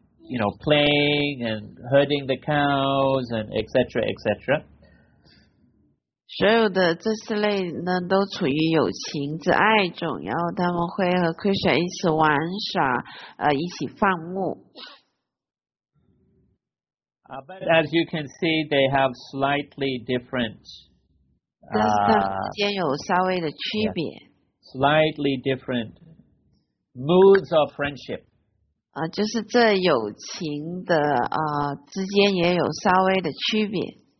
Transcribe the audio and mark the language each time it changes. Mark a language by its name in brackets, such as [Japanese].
[English] You know, playing and herding the cows and etc. etc. [Chinese] 所有的这四类呢，都处于友情之爱中，然后他们会和 Krishna 一起玩耍，一起放牧。 [English] But as you can see, they have slightly different. [Chinese] 但是他们之间有稍微的区别。 [English] Slightly different. Moods of friendship. [Chinese] 就是这友情的之间也有稍微的区别。